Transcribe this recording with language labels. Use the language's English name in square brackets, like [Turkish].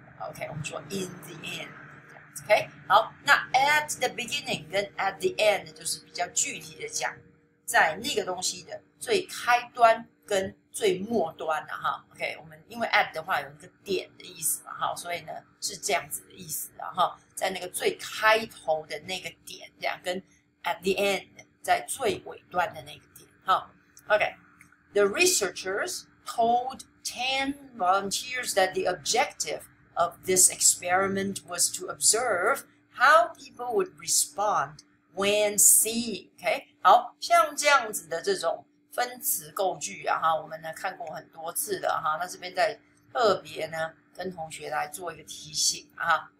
[Chinese] OK, 我们说 [English] in the end, [Chinese] OK, 好，那 [English] at the beginning [Chinese] 跟 [English] at the end [Chinese] 就是比较具体的讲在那个东西的最开端跟最末端的哈。 OK, 我们因为 at 的话有一个点的意思嘛哈，所以呢是这样子的意思啊哈，在那个最开头的那个点这样，跟 [English] at the end [Chinese] 在最尾端的那个点哈。 [English] OK, the researchers told 10 volunteers that the objectiveof this experiment was to observe how people would respond when seeing, OK? [Chinese] 好，像这样子的这种分词构句啊哈，我们呢看过很多次的哈，那这边再特别呢跟同学来做一个提醒啊哈。